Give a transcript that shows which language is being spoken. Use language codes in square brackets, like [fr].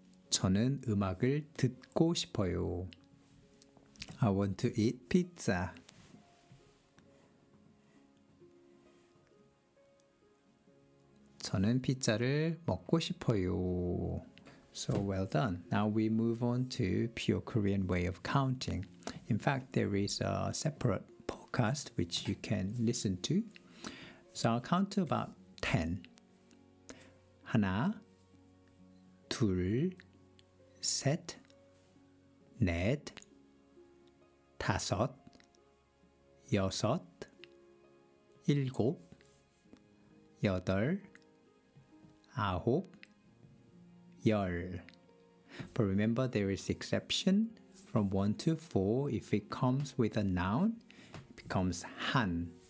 [ko] 저는 음악을 듣고 싶어요. [en] I want to eat pizza. [ko] 저는 피자를 먹고 싶어요. [en] So well done. Now we move on to pure Korean way of counting. In fact, there is a separate podcast which you can listen to. So I'll count to about 10. [ko] 하나, 둘, 셋, 넷, 다섯, 여섯, 일곱, 여덟, 아홉, 열. [en] But remember, there is exception from 1 to 4. If it comes with a noun, it becomes 한.